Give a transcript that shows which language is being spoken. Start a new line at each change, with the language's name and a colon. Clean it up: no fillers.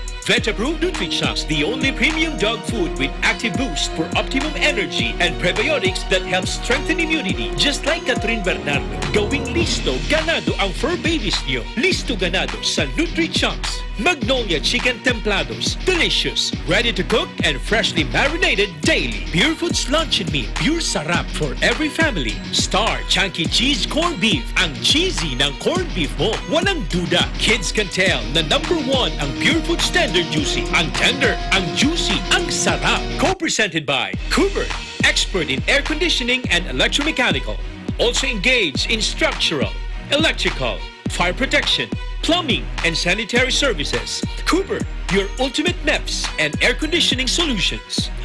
English: Vetaprove NutriChucks, the only premium dog food with active boost for optimum energy and prebiotics that help strengthen immunity, just like Catherine Bernard.
Filipino: Going listo, ganado ang fur babies niyo. Listo ganado sa NutriChucks.
English: Magnolia Chicken Templados, delicious, ready to cook and freshly marinated daily. Pure Foods Lunch and Meat, pure sarap for every family.
Filipino: Star Chunky Cheese Corned Beef, ang cheesy ng corned beef mo. Walang duda,
English: kids can tell
Filipino: na number one ang Pure Foods Tender Juicy. Ang tender, ang juicy, ang sarap.
English: Co-presented by Cooper, expert in air conditioning and electromechanical. Also engaged in structural, electrical, fire protection, plumbing and sanitary services. Cooper, your ultimate MEPS and air conditioning solutions.